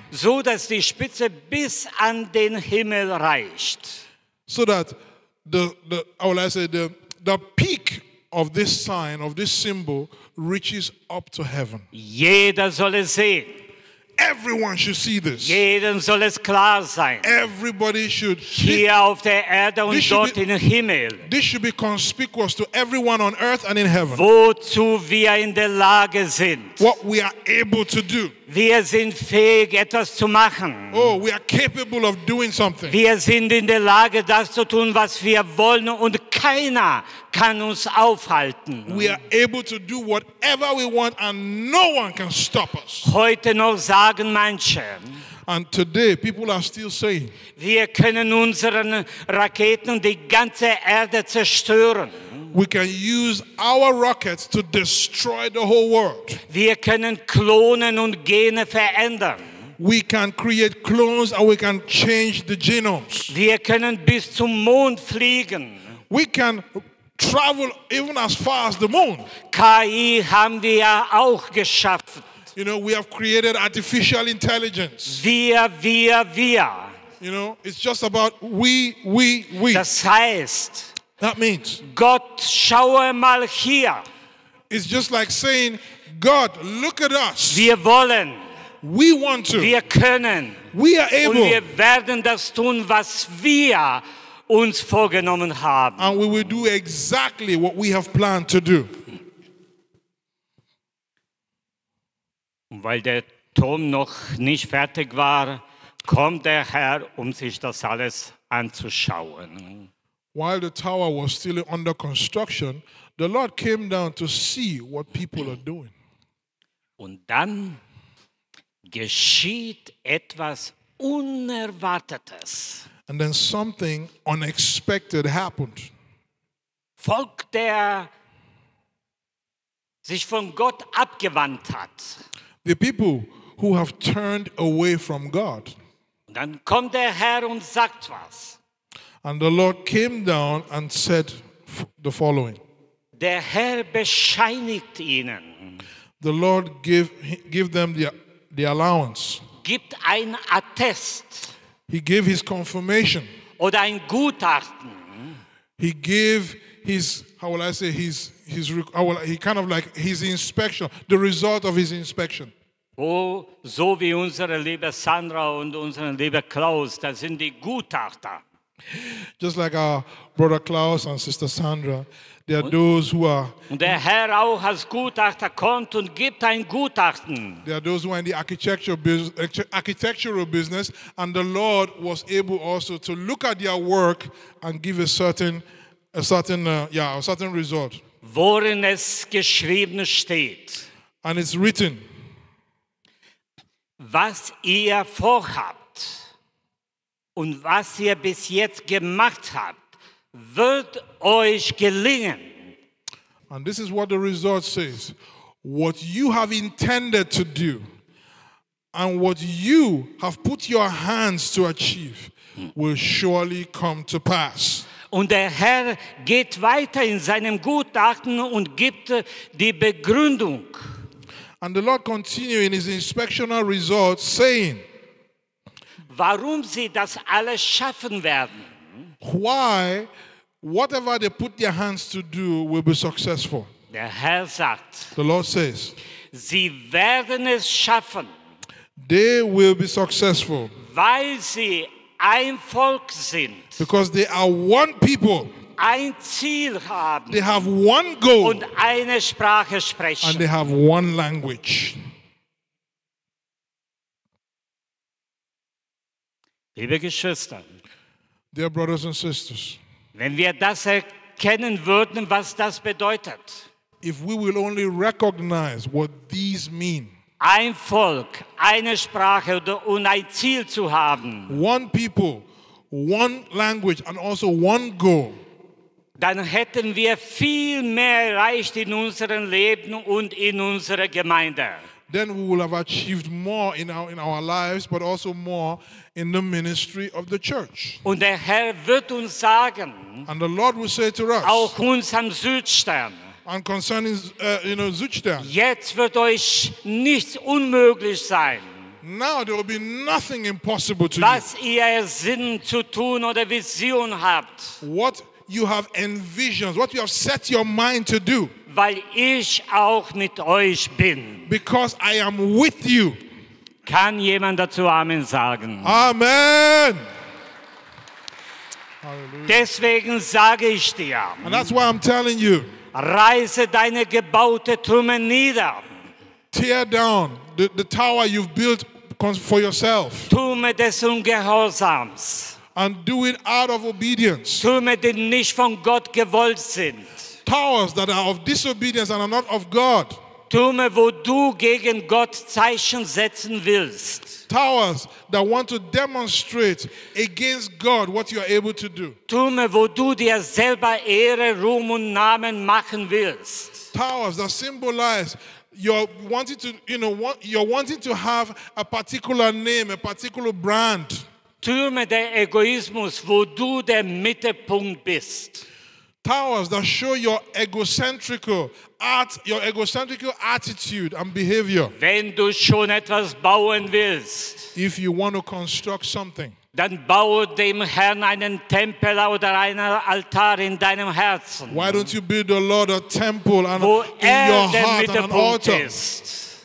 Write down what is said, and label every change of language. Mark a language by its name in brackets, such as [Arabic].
[German] So dass die Spitze bis an den Himmel reicht. [English] So that the peak of this sign, of this symbol, reaches up to heaven. [German] Jeder soll es sehen. [English] Everyone should see this. [German] Jedem soll es klar sein. [English] Everybody should [German] hier auf der Erde und dort in Himmel. [English] This should be conspicuous to everyone on earth and in heaven. [German] Wozu wir in der Lage sind. [English] What we are able to do. [German] Wir sind fähig, etwas zu machen. [English] Oh, we are capable of doing something. [German] Wir sind in der Lage, das zu tun, was wir wollen, und keiner kann uns aufhalten. [English] We are able to do whatever we want, and no one can stop us. [German] Heute noch sagen manche. [English] And today, people are still saying. [German] Wir können unseren Raketen die ganze Erde zerstören. [English] We can use our rockets to destroy the whole world. [German] Wir können Klonen und Gene verändern. [English] We can create clones and we can change the genomes. [German] Wir können bis zum Mond fliegen. [English] We can travel even as far as the moon. [German] KI haben wir auch geschaffen. [English] You know, we have created artificial intelligence. [German] Wir. [English] You know, it's just about we. [German] Das heißt, [English] that means [German] God, schaue mal hier. [English] It's just like saying, God, look at us. [German] Wir wollen. [English] We want to. [German] Wir können. [English] We are able. [German] Und wir werden das tun, was wir uns vorgenommen haben. [English] And we will do exactly what we have planned to do. [German] Weil der Turm noch nicht fertig war, kommt der Herr, um sich das alles anzuschauen. [English] While the tower was still under construction, the Lord came down to see what people are doing. [German] Und dann geschieht etwas Unerwartetes. [English] And then something unexpected happened. [German] Volk, der sich von Gott abgewandt hat. [English] The people who have turned away from God. [German] Und dann kommt der Herr und sagt was. [English] And the Lord came down and said the following. [German] Der Herr bescheinigt ihnen. [English] The Lord gave them the allowance. [German] Gibt ein Attest. [English] He gave his confirmation. [German] Oder ein Gutachten. [English] He gave his inspection, the result of his inspection. [German] Oh, so wie unsere liebe Sandra und unsere liebe Klaus, das sind die Gutachter. [English] Just like our brother Klaus and sister Sandra, they are those who are. [German] Und der Herr auch als Gutachter kommt und gibt ein Gutachten. [English] They are those who are in the architectural business, and the Lord was able also to look at their work and give a certain result. [German] Worin es geschrieben steht. [English] And it's written. [German] Was ihr vorhabt. Und was ihr bis jetzt gemacht habt, wird euch gelingen. [English] And this is what the result says. What you have intended to do and what you have put your hands to achieve will surely come to pass. [German] Und der Herr geht weiter in seinem Gutachten und gibt die Begründung. [English] And the Lord continues in his inspectional result saying, [German] warum sie das alles schaffen werden. [English] Why, whatever they put their hands to do, will be successful. [German] Der Herr sagt. [English] The Lord says. [German] Sie werden es schaffen. [English] They will be successful. [German] Weil sie ein Volk sind. [English] Because they are one people. [German] Ein Ziel haben. [English] They have one goal. [German] Und eine Sprache sprechen. [English] And they have one language. [German] Liebe Geschwister, [English] dear brothers and sisters, [German] wenn wir das erkennen würden, was das bedeutet, [English] if we will only recognize what these mean, [German] ein Volk, eine Sprache und ein Ziel zu haben, [English] one people, one language and also one goal, [German] dann hätten wir viel mehr erreicht in unserem Leben und in unserer Gemeinde. [English] then we will have achieved more in our lives, but also more in the ministry of the church. [German] Und der Herr wird uns sagen, [English] and the Lord will say to us, [German] auch uns am Südstern, [English] and concerning Südstern, [German] jetzt wird euch nichts unmöglich sein. [English] Now there will be nothing impossible to was you. [German] Ihr Sinn zu tun oder Vision habt. [English] What you have envisioned, what you have set your mind to do. [German] Weil ich auch mit euch bin. [English] Because I am with you. [German] Kann jemand dazu Amen sagen? Amen. Hallelujah. Deswegen sage ich dir. [English] And that's why I'm telling you. [German] Reise deine gebaute Türme nieder. [English] Tear down the tower you've built for yourself. [German] Türme des Ungehorsams. [English] And do it out of obedience. [German] Türme, die nicht von Gott gewollt sind. [English] Towers that are of disobedience and are not of God. [German] Türme, wo du gegen Gott Zeichen setzen willst. [English] Towers that want to demonstrate against God what you are able to do. [German] Türme, wo du dir selber Ehre, Ruhm und Namen machen willst. [English] Towers that symbolize you're wanting to have a particular name, a particular brand. [German] Türme der Egoismus, wo du der Mittelpunkt bist. [English] Towers that show your egocentric attitude and behavior. [German] Wenn du schon etwas bauen willst, [English] if you want to construct something, [German] dann baue dem Herrn einen Tempel oder einen Altar in deinem Herzen. [English] Why don't you build the Lord a temple and in your heart and an altar ist.